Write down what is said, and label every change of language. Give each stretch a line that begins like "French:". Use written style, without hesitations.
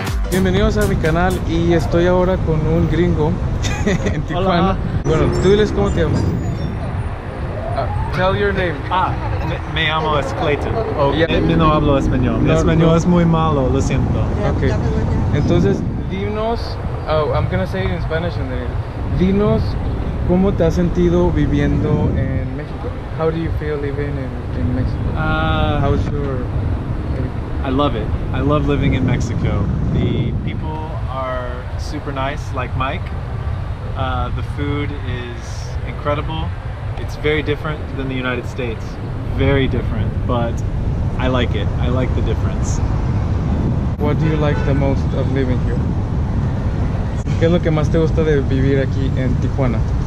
Spanish: Bienvenidos a mi canal y estoy ahora con un gringo en Tijuana. Hola. Bueno, tú diles cómo te llamas.
English: Tell your name.
Spanish: Me llamo es Clayton. No hablo español. No, español no. Es muy malo, lo siento. Okay. Entonces, dinos,
English: I'm going to say it in Spanish and then.
Spanish: Dinos cómo te has sentido viviendo en México.
English: How do you feel living in Mexico? How's your... I love it. I love living in Mexico. The people are super nice, like Mike. The food is incredible. It's very different than the United States. Very different, but I like it. I like the difference. What do you like the most of living here?
Spanish: ¿Qué es lo que más te gusta de vivir aquí en Tijuana?